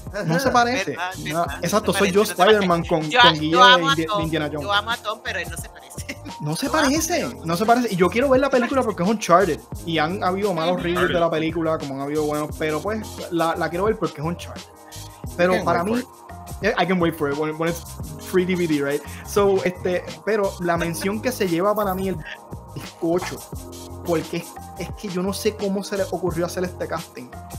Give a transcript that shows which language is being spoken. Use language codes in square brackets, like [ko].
[es] No se parece. Exacto, soy yo, Spider-Man, con guía de Indiana Jones. Yo amo a Tom, pero él no se parece. No se parece. Y yo quiero ver la película porque es Uncharted. Y han habido malos reviews de la película, como han habido buenos, pero pues la quiero ver porque es Uncharted. Pero para mí. [en] I can wait for it when it's free DVD, right? [es] So, pero la mención que se lleva para mí el bizcocho, porque es que yo no sé cómo se le ocurrió hacer este casting.